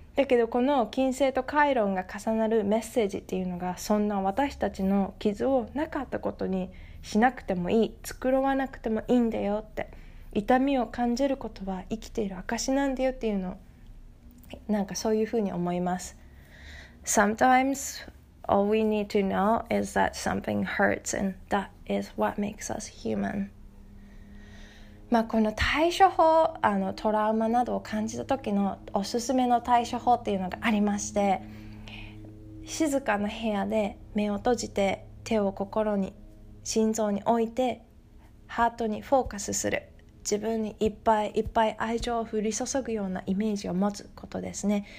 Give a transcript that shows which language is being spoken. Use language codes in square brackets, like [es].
[ja] だけどこの金星とカイロンが重なるメッセージっていうのが、そんな私たちの傷をなかったことにしなくてもいい、繕わなくてもいいんだよって、痛みを感じることは生きている証なんだよっていうの、なんかそういうふうに思います。 [en] Sometimes all we need to know is that something hurts and that is what makes us human。 [ja] まあ、この対処法、トラウマなどを感じた時のおすすめの対処法っていうのがありまして、静かな部屋で目を閉じて手を心に心臓に置いてハートにフォーカスする、自分にいっぱいいっぱい愛情を降り注ぐようなイメージを持つことですね。